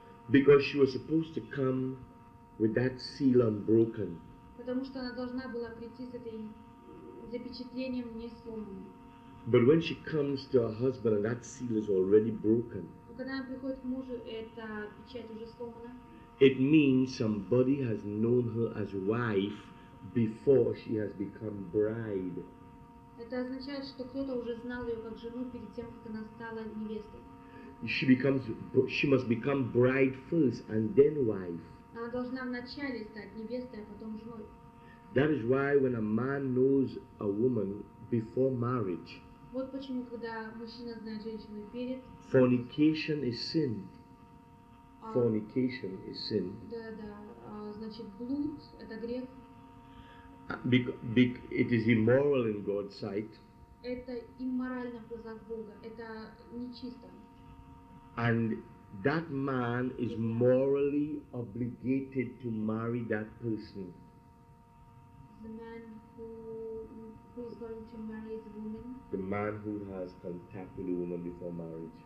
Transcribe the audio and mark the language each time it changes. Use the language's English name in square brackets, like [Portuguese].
[English] Because she was supposed to come with that seal unbroken. [Russian] Потому что она должна была прийти с этим запечатлением не сломанным. [English] But when she comes to her husband and that seal is already broken. [Russian] Когда она приходит к мужу, эта печать уже сломана. [English] It means somebody has known her as wife before she has become bride. [Russian] Это означает, что кто-то уже знал ее как жену перед тем, как она стала невестой. [English] She must become bride first and then wife. [Russian] Она должна вначале стать невестой, а потом женой. [English] That is why when a man knows a woman before marriage. [Russian] Вот почему, когда мужчина знает женщину перед. [English] Fornication is sin. Fornication is sin. [Russian] Да-да. Значит, блуд – это грех. [English] It is immoral in God's sight. [Russian] Это имморально в глазах Бога. Это нечисто. [English] And that man is morally obligated to marry that person. The man who is going to marry the woman. The man who has contact with the woman before marriage.